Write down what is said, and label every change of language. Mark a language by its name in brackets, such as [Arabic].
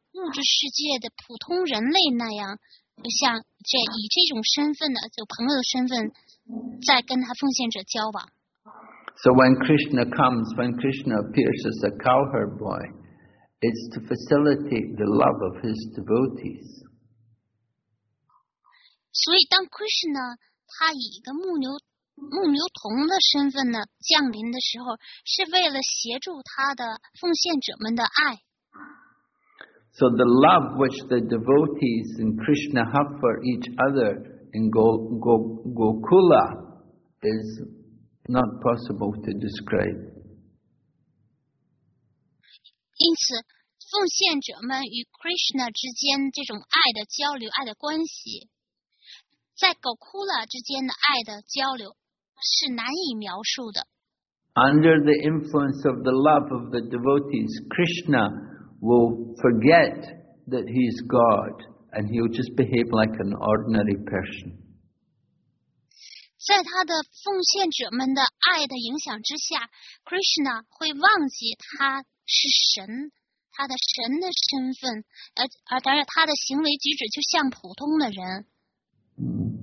[Chinese] 物质世界的普通人类那样，就像这以这种身份的，就朋友的身份，在跟他奉献者交往。 [English] So when Krishna comes, when Krishna appears as a cowherd boy, it's to facilitate the love of his devotees. [Chinese] 所以当 Krishna 他以一个牧牛童的身份呢降临的时候，是为了协助他的奉献者们的爱。 [English] So the love which the devotees and Krishna have for each other in Gokula is not possible to describe. [Chinese] 因此，奉献者们与 Krishna 之间这种爱的交流、爱的关系，在 Gokula 之间的爱的交流是难以描述的。 [English] Under the influence of the love of the devotees, Krishna will forget that he is God, and he will just behave like an ordinary person. [Chinese] 在他的奉献者们的爱的影响之下， Krishna 会忘记他是神，他的神的身份，而他的行为举止就像普通的人。